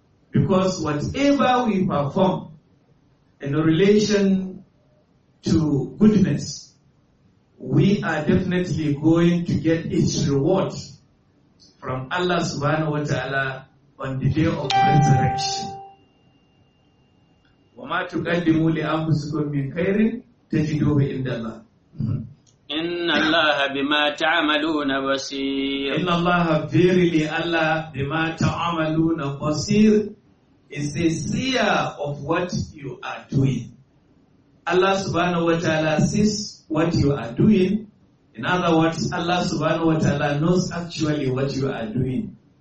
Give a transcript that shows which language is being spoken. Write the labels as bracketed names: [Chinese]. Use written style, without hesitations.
[English] Because whatever we perform in relation to goodness, we are definitely going to get its reward from Allah subhanahu wa ta'ala on the day of resurrection. [Arabic] وما تقدموا لأنفسكم من خير تجدوه عند الله. إن الله بما تعملون بصير. إن الله [English] verily Allah [Arabic] بما تعملون بصير [English] is the seer of what you are doing. Allah subhanahu wa ta'ala sees what you are doing. In other words, Allah subhanahu wa ta'ala knows actually what you are doing.